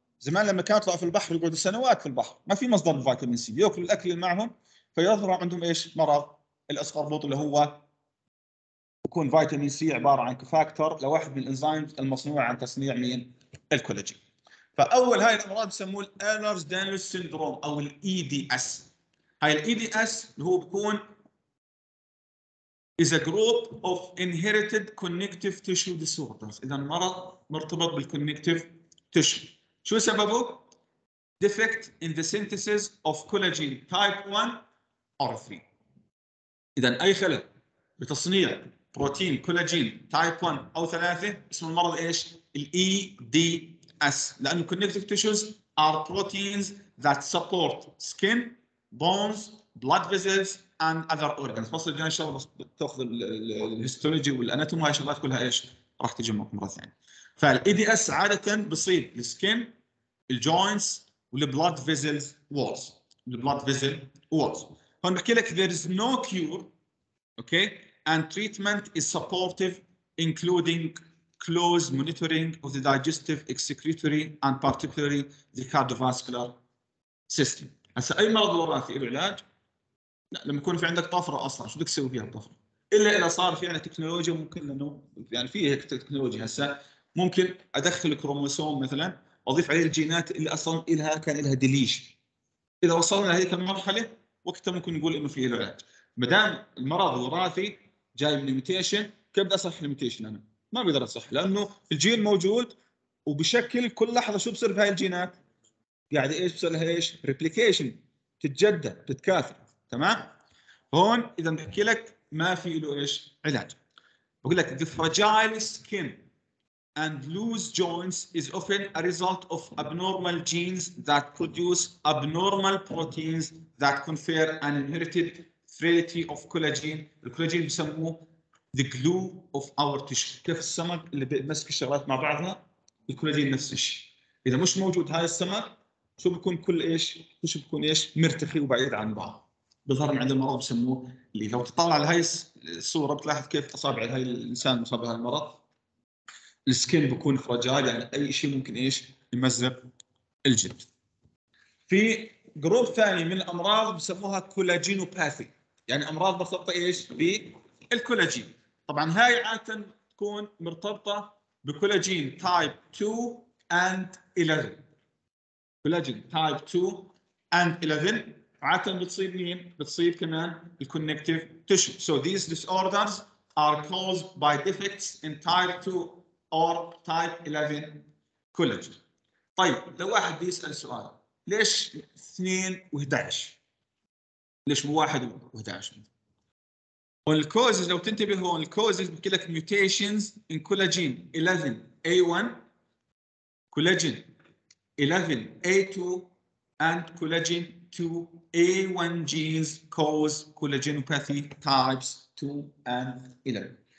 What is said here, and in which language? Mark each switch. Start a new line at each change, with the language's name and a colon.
Arabic: زمان لما كانت طلع في البحر يقعد سنوات في البحر ما في مصدر فيتامين سي ياكل الاكل اللي معهم فيظهر عندهم ايش مرض الاسقربوط اللي هو يكون فيتامين سي عباره عن كفاكتور لواحد من الانزيمز المصنوعه عن تصنيع مين الكولاجين. فاول هاي الامراض يسموه الالرز دانلوس سيندروم او الاي دي اس. هاي الاي دي اس اللي هو بيكون
English: is a group of inherited connective tissue disorders.
Arabic: اذا المرض مرتبط
English: بالconnective tissue
Arabic: شو سببه؟
English: defect in the synthesis of collagen type 1 or 3.
Arabic: اذا اي خلل بتصنيع بروتين كولاجين type 1 او 3 اسم المرض ايش؟ الاي دي اس. لان
English: connective tissues are proteins that support skin, bones, blood vessels and other organs.
Arabic: بس ان شاء الله تاخذ الهيستولوجي والاناتومي وهي الشغلات كلها ايش راح تجمعكم مره ثانيه. فالاي دي اس عاده بصيب السكن الجوينتس والبلاد فيزلز وولز. البلاد فيزل وولز هون بحكي لك
English: there is no cure okay and treatment is supportive including close monitoring of the digestive excretory and particularly the cardiovascular system.
Arabic: هسه اي مرض وراثي له علاج؟ لا. لما يكون في عندك طفره اصلا شو بدك تسوي فيها الطفره؟ الا اذا صار في عندنا تكنولوجيا ممكن انه يعني في هيك تكنولوجيا هسه ممكن ادخل كروموسوم مثلا اضيف عليه الجينات اللي اصلا الها كان لها ديليش. اذا وصلنا لهذيك المرحله وقتها ممكن نقول انه في له علاج. ما دام المرض الوراثي جاي من ميوتيشن كيف بدي اصلح الميوتيشن انا؟ ما بقدر اصلح لانه الجين موجود وبشكل كل لحظه شو بصير بهاي الجينات؟ قاعد ايش بصير لها ايش؟ ريبليكيشن تتجدد تتكاثر تمام؟ هون اذا بحكي لك ما في له ايش؟ علاج. بقول لك
English: the fragile skin and loose joints is often a result of abnormal genes that produce abnormal proteins that confer an inherited frailty of collagen.
Arabic: الكولاجين بسموه
English: the glue of our tissue.
Arabic: كيف السمك اللي بيمسك الشغلات مع بعضها؟ الكولاجين نفس الشيء. اذا مش موجود هاي السمك شو بكون كل ايش؟ شو بكون ايش؟ مرتخي وبعيد عن بعض. بظهر من عند المرض بسموه اللي لو تطلع على هاي الصوره بتلاحظ كيف اصابع هاي الانسان مصاب بهذا المرض. السكين بكون فراجال يعني اي شيء ممكن ايش؟ يمزق الجلد. في جروب ثاني من الامراض بسموها كولاجينوباثي. يعني امراض مرتبطه ايش؟ بالكولاجين. طبعا هاي عاده تكون مرتبطه بكولاجين تايب 2 and 11. كولاجين تايب 2 and 11 عاده بتصيب مين؟ بتصيب كمان الكونكتيف تيشو.
English: So these disorders are caused by defects in type 2 or type 11 collagen.
Arabic: طيب لو واحد بيسال سؤال ليش 2 و11؟ ليش مو 1 و11؟ هون الكوزز لو تنتبه هون الكوزز بحكي لك
English: mutations in collagen 11A1 collagen 11A2 and collagen 2A1 genes cause collagenopathy types 2 and 11.